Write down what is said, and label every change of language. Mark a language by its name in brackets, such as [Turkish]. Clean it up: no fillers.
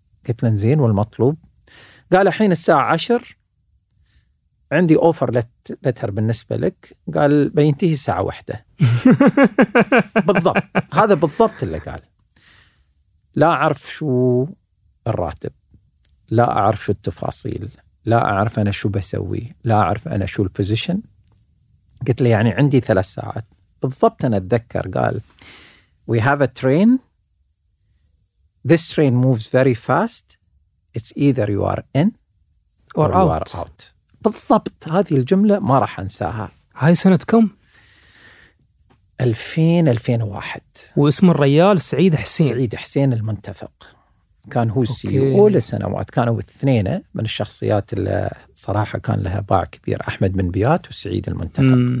[Arabic] قلت له زين، والمطلوب؟ قال الحين الساعة 10 عندي أوفر لتر بالنسبة لك، قال بينتهي الساعة 1 بالضبط. هذا بالضبط اللي قال. لا أعرف شو الراتب، لا أعرف شو التفاصيل، لا أعرف أنا شو بسوي، لا أعرف أنا شو البوزيشن. قلت له يعني عندي 3 ساعات بالضبط. أنا أتذكر قال [English] We have a train. This train moves very fast. It's either you are in or you are out. [Arabic] بالضبط هذه الجملة ما راح أنساها. هاي سنة كم؟ 2000 2001. واسم الرجال سعيد حسين. سعيد حسين المنتفق كان هو CEO لسنوات، كانوا الاثنين من الشخصيات اللي صراحة كان لها باع كبير، أحمد من بيات وسعيد المنتفق.